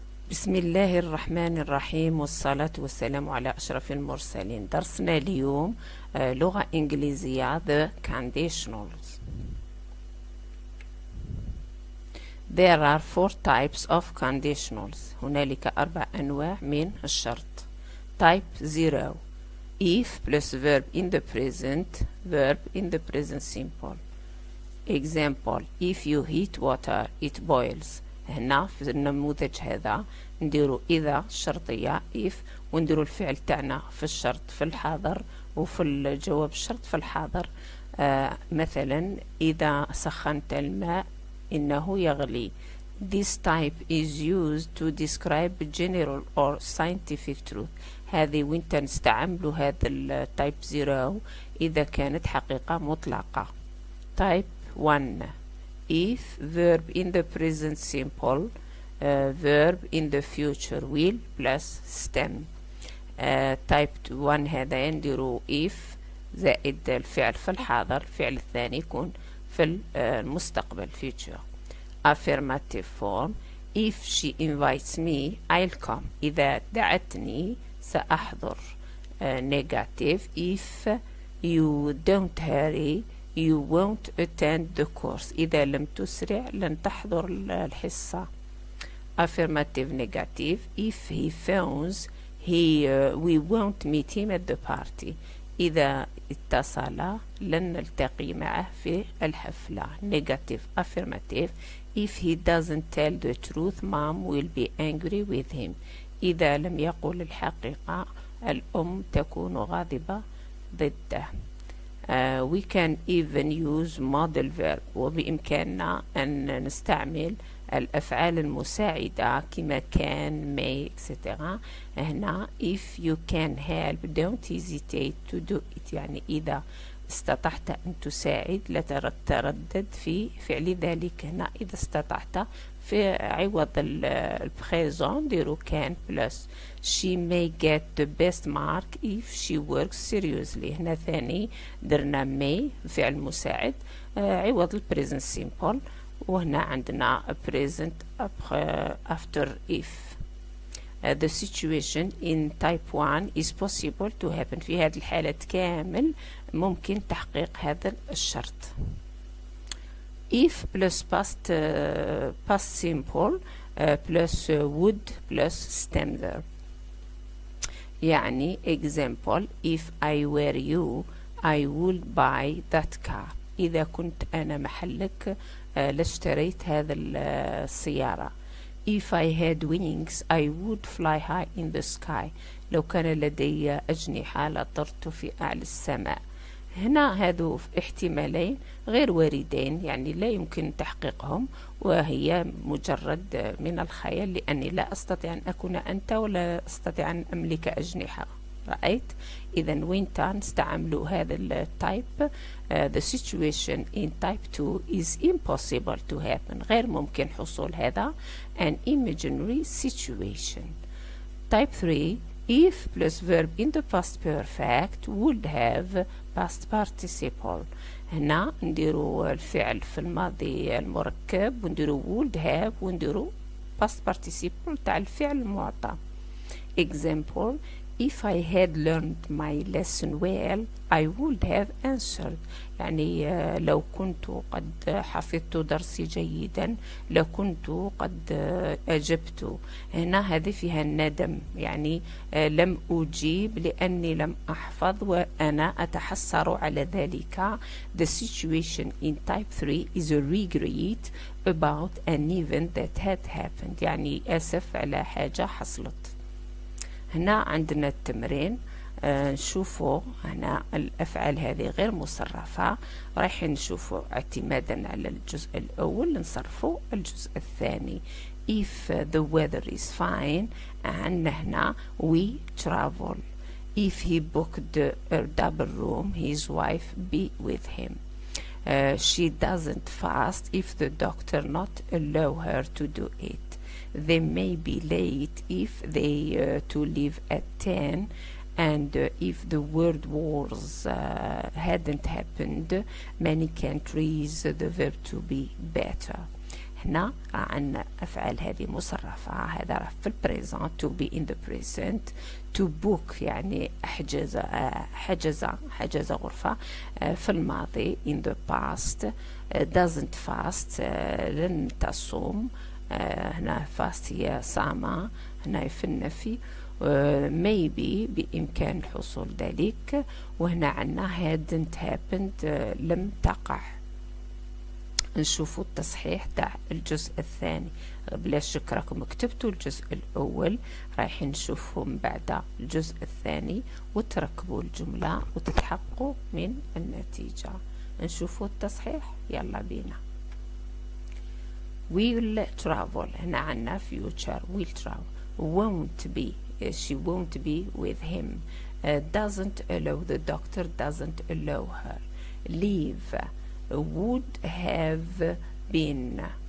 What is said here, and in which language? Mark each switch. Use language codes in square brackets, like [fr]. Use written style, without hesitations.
[ar] بسم الله الرحمن الرحيم والصلاة والسلام على أشرف المرسلين. درسنا اليوم لغة إنجليزية [en] The Conditionals. There are four types of conditionals. [ar] هنالك أربع أنواع من الشرط. [en] Type 0 If plus verb in the present, verb in the present simple. Example: If you heat water, it boils. [ar] هنا في النموذج هذا نديرو إذا شرطية if ونديرو الفعل تاعنا في الشرط في الحاضر وفي الجواب الشرط في الحاضر. مثلا إذا سخنت الماء إنه يغلي. [en] This type is used to describe general or scientific truth. [ar] هذه وين تنستعملو هذا التايب زيرو إذا كانت حقيقة مطلقة. [en] Type 1 If verb in the present simple, verb in the future will plus stem. [ar] Type 1 هذا يندرو if زائد الفعل في الحاضر، الفعل الثاني يكون في المستقبل future. [en] Affirmative form If she invites me, I'll come. [ar] إذا دعتني سأحضر. [en] Negative If you don't hurry, You won't attend the course. [ar] إذا لم تسرع لن تحضر الحصة. [en] Affirmative negative. If he phones, we won't meet him at the party. [ar] إذا اتصل لن نلتقي معه في الحفلة. [en] Negative affirmative. If he doesn't tell the truth, mom will be angry with him. [ar] إذا لم يقول الحقيقة الأم تكون غاضبة ضده. [en] We can even use model verb. [ar] وبإمكاننا أن نستعمل الأفعال المساعدة كما كان, may, etc. [en] هنا if you can help, don't hesitate to do it. [ar] يعني إذا استطعت أن تساعد لا تتردد في فعل ذلك. هنا إذا استطعت في عوض البريزون ديرو كان بلس. [en] She may get the best mark if she works seriously. [ar] هنا ثاني درنا may فعل مساعد عوض البريزنت سيمبل. وهنا عندنا [en] present after if. The situation in type 1 is possible to happen. [ar] في هذه الحالة كامل ممكن تحقيق هذا الشرط. [en] If plus past past simple plus would plus stem verb. يعني example if I were you I would buy that car. [ar] إذا كنت أنا محلك لاشتريت هذا السيارة. [en] If I had wings, I would fly high in the sky. [ar] لو كان لدي أجنحة لطرت في أعلى السماء. هنا هذو احتمالين غير واردين, يعني لا يمكن تحقيقهم وهي مجرد من الخيال لأني لا أستطيع أن أكون أنت ولا أستطيع أن أملك أجنحة. رأيت؟ إذا وين تان استعملوا هذا التايب. [en] The situation in type 2 is impossible to happen. [ar] غير ممكن حصول هذا. [en] An imaginary situation. Type 3 If plus verb in the past perfect would have past participle. [ar] هنا نديرو الفعل في الماضي المركب ونديرو would have ونديرو past participle تاع الفعل المعطى. [en] Example If I had learned my lesson well, I would have answered. [ar] يعني لو كنت قد حفظت درسي جيدا لكنت قد أجبت. هنا هذه فيها الندم, يعني لم أجيب لأني لم أحفظ وأنا أتحسر على ذلك. [en] The situation in type 3 is a regret about an event that had happened. [ar] يعني أسف على حاجة حصلت. هنا عندنا التمرين. نشوفوا هنا الأفعال هذه غير مصرفة. رايح نشوفوا اعتمادا على الجزء الأول نصرفوا الجزء الثاني. [en] If the weather is fine [ar] عندنا هنا [en] we travel. If he booked a double room his wife be with him. She doesn't fast if the doctor not allow her to do it. They may be late if they to leave at 10 and if the world wars hadn't happened many countries the verb to be better. [ar] هنا راه عندنا افعال هذه مصرفه، هذا راه في البريزون، تو بي ان ذا بريزنت، تو بوك يعني حجز، حجز غرفه، في الماضي ان ذا باست، دازنت فاست، لن تصوم، هنا فاست هي صام، هنا في النفي، maybe بامكان الحصول ذلك، وهنا عندنا hadn't happened، لم تقع. نشوفوا التصحيح تاع الجزء الثاني، بلاش شك راكم كتبتوا الجزء الاول، رايحين نشوفوا من بعد الجزء الثاني وتركبوا الجمله وتتحققوا من النتيجه. نشوفوا التصحيح، يلا بينا. [en] We will travel، هنا عندنا future، we'll travel، won't be، she won't be with him، doesn't allow، the doctor doesn't allow her، leave، would have been.